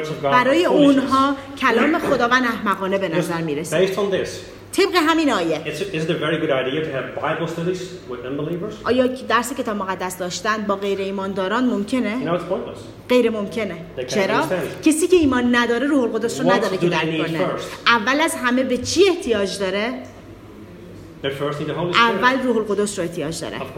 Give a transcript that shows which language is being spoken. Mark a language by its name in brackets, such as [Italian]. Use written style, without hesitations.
[Persian] برای اونها کلام خداوند احمقانه به نظر میرسه. [English] Based on this. [Persian] طبق همین آیه. [English] Is it a very good idea to have Bible studies with unbelievers? [Persian] آیا درس کتاب مقدس داشتن با غیر ایمانداران ممکنه؟ [English] You know, it's pointless. [Persian] غیر ممکنه. چرا؟ کسی که ایمان نداره روح القدس رو نداره که درک کنه. اول از همه به چی احتیاج داره؟ اول روح القدس رو احتیاج داره.